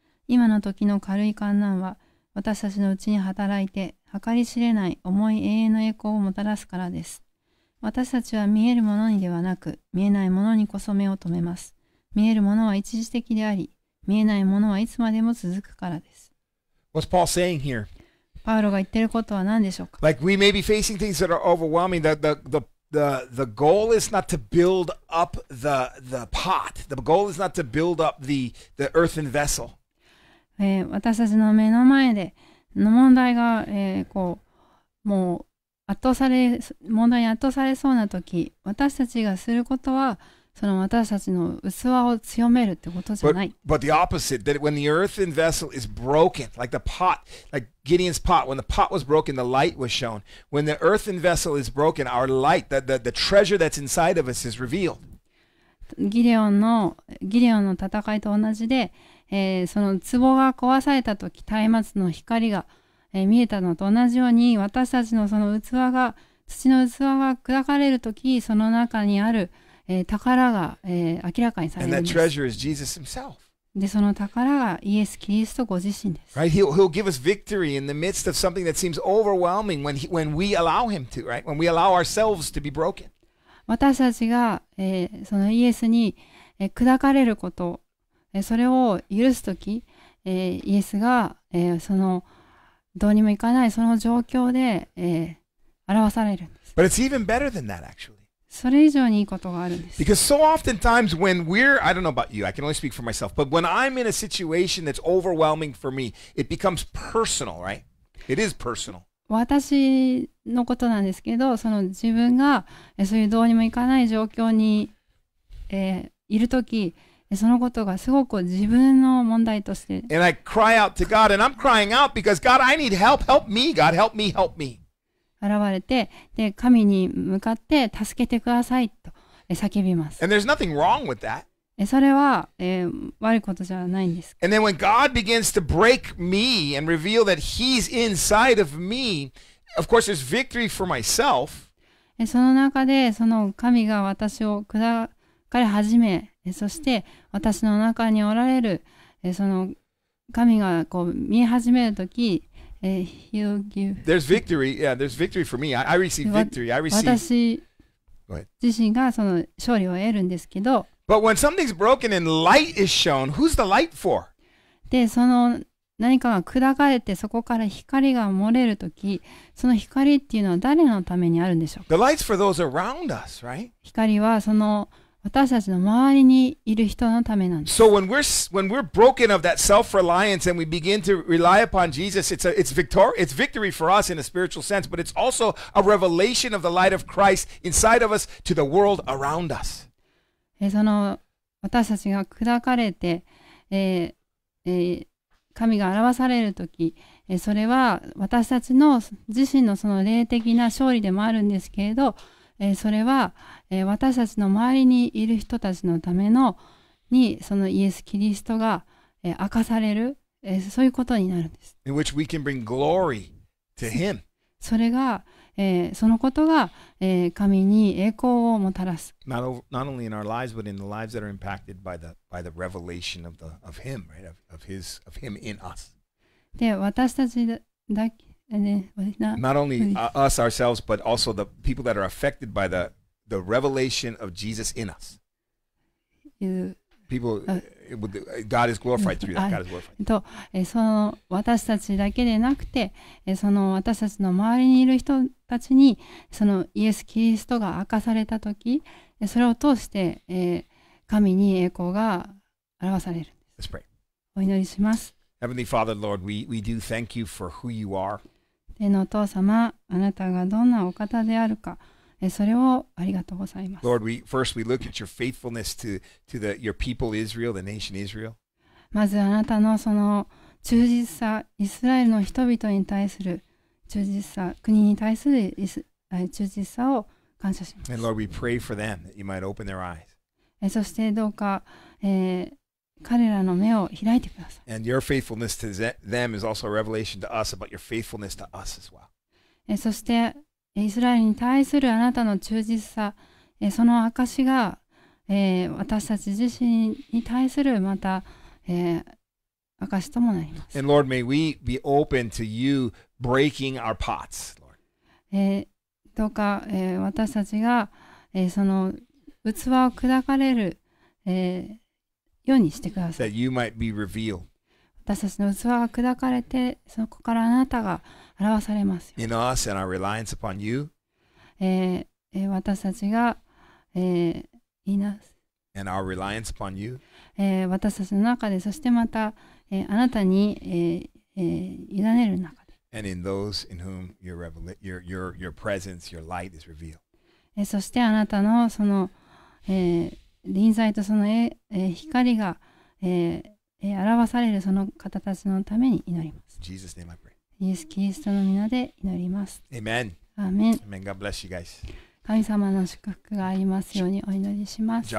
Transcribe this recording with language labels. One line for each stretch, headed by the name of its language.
Japanese: 今の時の軽い患難は私たちのうちに働いて計り知れない重い永遠の栄光をもたらすからです。私たちは見えるものにではなく、見えないものにこそ目を留めます。見えるものは一時的であり、見えないものはいつまでも続くからです。
English: What's Paul saying here?
Japanese: パウロが言ってることは何でしょうか?
English: Like we may be facing things that are overwhelming, that the goal is not to build up the pot. The goal is not to build up the earthen vessel.
Japanese: 私たちの目の前での問題が、こうもう圧倒され問題に圧倒されそうな時、私たちがすることはその私たちの器を強めるってことじゃない。
English: But the opposite, that when the earthen vessel is broken, like the pot, like Gideon's pot, when the pot was broken, the light was shown. When the earthen vessel is broken, our light, the treasure that's inside of us is revealed.
Japanese: ギデオンの戦いと同じで、その壺が壊された時、松明の光が見えたのと同じように、私たちのその器が、土の器が砕かれる時、その中にある宝が、明らかにされるんです。
English: And that treasure is Jesus himself.
Japanese: で、その宝がイエス・キリストご自身です。
English: Right? He'll give us victory in the midst of something that seems overwhelming when we allow him to, right? When we allow ourselves to be broken.
Japanese: 私たちが、そのイエスに、砕かれること、それを許すとき、イエスが、そのどうにもいかないその状況で、表されるんです。
English: But it's even better than that, actually.
Japanese: それ以上にいいことがあるんです。
English: Because so oftentimes when we're, I don't know about you, I can only speak for myself, but when I'm in a situation that's overwhelming for me, it becomes personal, right? It is personal.
Japanese: 私のことなんですけど、その自分がそういうどうにもいかない状況に、いるとき、そのことがすごく自分の問題として。
English: And I cry out to God, and I'm crying out because God, I need help. Help me, God. Help me, help me.
Japanese: 現れて、で神に向かって助けてくださいと叫びます。
English: And there's nothing wrong with that.
Japanese: それは、悪いことじゃないんです。
English: And then when God begins to break me and reveal that He's inside of me, of course there's victory for myself.
Japanese: その中でその神が私を砕かれ始め、そして私の中におられるその神がこう見え始めるとき。
English: There's victory. Yeah, there's victory for me. I receive victory. I receive.
Japanese: 私自身がその勝利を得るんですけど。
English: But when something's broken and light is shown, who's the light for?
Japanese: で、その何かが砕かれてそこから光が漏れるとき、その光っていうのは誰のためにあるんでしょうか?
English: The light's for those around us, right?
Japanese: 光はその私たちの周りにいる人のためなんです。
English: So when we're broken of that self-reliance and we begin to rely upon Jesus, it's victory for us in a spiritual sense, but it's also a revelation of the light of Christ inside of us to the world around us.
Japanese: その私たちが砕かれて、神が表されるとき、それは私たちの自身のその霊的な勝利でもあるんですけれど、それは、私たちの周りにいる人たちのためのにそのイエス・キリストが、明かされる、そういうことになるんです。
English: In which we can bring glory to him.
Japanese: それが、そのことが、神に栄光をもたらす。
English: Not only in our lives, but in the lives that are impacted by the revelation of the of him, right? Of his of him in us.
Japanese: で、私たちだけ。
English: Not only us ourselves, but also the people that are affected by the revelation of Jesus in us. God is glorified through that. God is glorified.
Japanese: と、その私たちだけでなくて、その私たちの周りにいる人たちに、そのイエス・キリストが明かされたとき、それを通して、神に栄光が表される。
English: Let's pray.
Japanese: お祈りします。
English: Heavenly Father, Lord, we do thank you for who you are.
Japanese: 天のお父様、あなたがどんなお方であるか、それをありがとうございます。
English: Lord, we look at your faithfulness to your people Israel, the nation Israel.
Japanese: まずあなたのその忠実さ、イスラエルの人々に対する忠実さ、国に対する忠実さを感謝します。
English: And Lord, we pray for them that you might open their eyes.
Japanese: そしてどうか、彼らの目を開いてください。
English: And your faithfulness to them is also a revelation to us about your faithfulness to us as well.
Japanese: そしてイスラエルに対するあなたの忠実さ、その証が、私たち自身に対するまた、証ともなります。
English: And Lord, may we be open to you breaking our pots, Lord.
Japanese: どうか、私たちが、その器を砕かれる、ようにしてください。
English: That you might be revealed.
Japanese: 私たちの器が砕かれて、そこからあなたが表されますよ。
English: In us and our reliance upon you.
Japanese: 私たちが、
English: in us. And our reliance upon you.
Japanese: 私たちの中で、そしてまた、あなたに、委ねる中で。
English: And in those in whom your presence, your light is revealed.
Japanese: そしてあなたのその、臨在とその、光が、表されるその方たちのために祈ります。
English: Jesus name I pray.
Japanese: イエス・キリストの皆で祈ります。
English: Amen. Amen. Amen. God bless you guys.
Japanese: 神様の祝福がありますようにお祈りします。